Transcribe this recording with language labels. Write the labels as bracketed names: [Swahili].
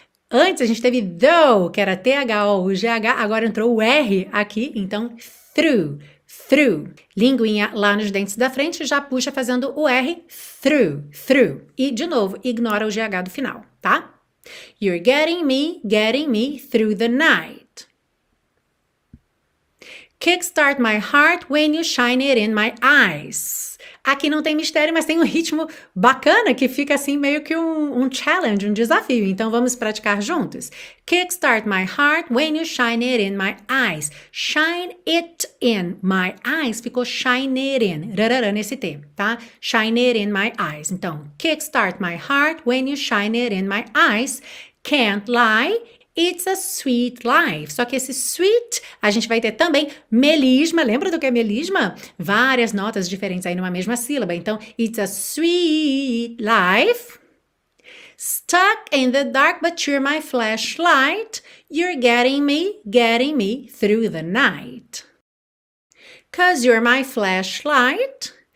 [Portuguese] Antes a gente teve though, que era TH, o GH, agora entrou o R aqui, então through, through. Linguinha lá nos dentes da frente já puxa fazendo o R, through, through. E de novo, ignora o GH do final, tá? [English] You're getting me through the night. Kickstart my heart when you shine it in my eyes. [Portuguese] Aqui não tem mistério, mas tem um ritmo bacana que fica assim meio que um challenge, um desafio. Então vamos praticar juntos. [English] Kickstart my heart when you shine it in my eyes. Shine it in my eyes. [Portuguese] Ficou [English] shine it in. Rarara [Portuguese] nesse T, tá? [English] Shine it in my eyes. [Portuguese] Então, [English] kickstart my heart when you shine it in my eyes. Can't lie. It's a sweet life. [Portuguese] Só que esse sweet a gente vai ter também melisma. Lembra do que é melisma? Várias notas diferentes aí numa mesma sílaba. Então, [English] it's a sweet life. Stuck in the dark, but you're my flashlight. You're getting me through the night. 'Cause you're my flashlight.